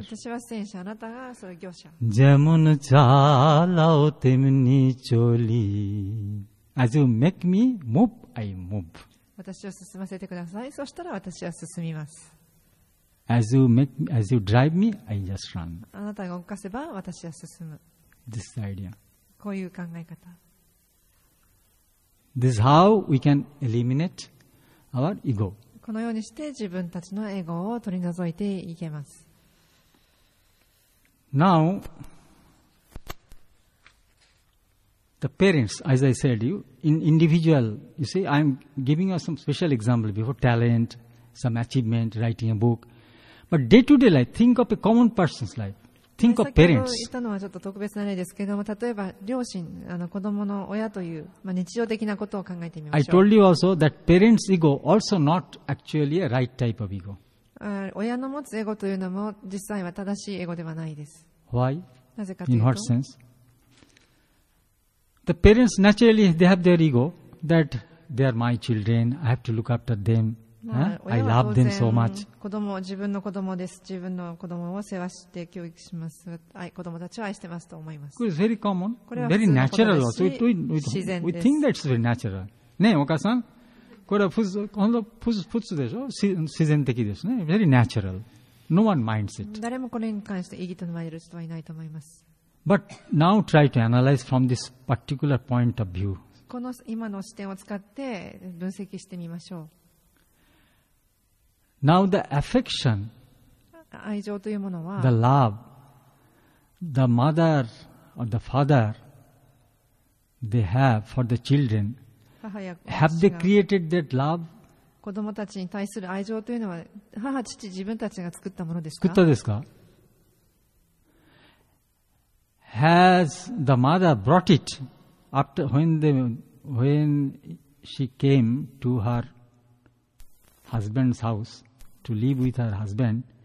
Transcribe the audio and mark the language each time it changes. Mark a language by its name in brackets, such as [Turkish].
[Japanese] 私は戦車、あなたがその業者。 [Bangla] Jemon chalao, temni choli. [English] As you make me move, I move. [Japanese] 私を進ませてください。そしたら私は進みます。 [English] As you make me, as you drive me, I just run. [Japanese] あなたが動かせば私は進む。 [English] This is the idea. [Japanese] こういう考え方。 [English] This is how we can eliminate our ego. [Japanese] このようにして自分たちのエゴを取り除いていけます。 [English] Now, the parents, as I said, you. In individual, you see, I'm giving you some special example before talent, some achievement, writing a book. But day-to-day life, think of a common person's life. Think of parents. [Japanese] 先ほど言ったのはちょっと特別な例ですけれども、例えば両親、子供の親という、日常的なことを考えてみましょう。 [English] I told you also that parents' ego also not actually a right type of ego. [Japanese] 親の持つエゴというのも実際は正しいエゴではないです。 [English] Why? [Japanese] なぜかというと。 [English] In what sense? The parents naturally they have their ego that they are my children. I have to look after them. I love them so much. [Japanese] 子供は自分の子供です。自分の子供を世話して教育します。子供たちを愛してますと思います。 [English] It's very common. Very natural. So we think that it's very natural. [Japanese] ね、お母さん、これは普通でしょ。自然的ですね。 [English] Very natural. No one minds it. [Japanese] 誰もこれに関して異議と唱える人はいないと思います。 [English] But now try to analyze from this particular point of view. [Japanese] この今の視点を使って分析してみましょう。 [English] Now the affection, [Japanese] 愛情というものは、 [English] the love, the mother or the father they have for the children, [Japanese] 母や父 [English] が、have they created that love? [Japanese] 子供たちに対する愛情というのは、母、父、自分たちが作ったものですか？作ったですか？ [English] Has the mother brought it after when she came to her husband's house to live with her husband?